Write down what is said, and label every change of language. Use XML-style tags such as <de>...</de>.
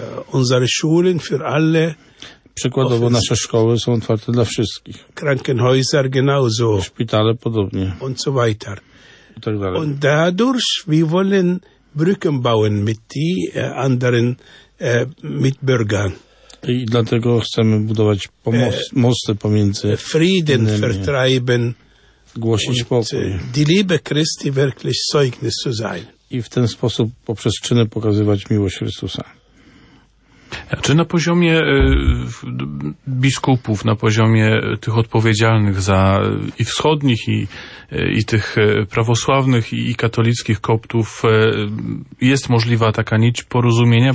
<de>Unsere Schulen für alle.</de> <pl>Przykładowo nasze szkoły są otwarte dla wszystkich.</pl> <de>Krankenhäuser genauso.</de> <pl>Szpitale podobnie.</pl> <de>Und so weiter.</de> <pl>I tak dalej.</pl> <de>Und dadurch, wir wollen Brücken bauen mit die anderen Mitbürgern.</de> <pl>I dlatego chcemy budować mosty pomiędzy</pl> <de>Frieden</de> <pl>innymi.</pl> <de>Vertreiben.</de> <pl>Głosić pokój.</pl> <de>Die Liebe Christi wirklich Zeugnis zu sein.</de> <pl>I w ten sposób poprzez czyny pokazywać miłość Chrystusa. A czy na poziomie biskupów, na poziomie tych odpowiedzialnych za i wschodnich, i tych prawosławnych, i katolickich koptów jest możliwa taka nić porozumienia?</pl>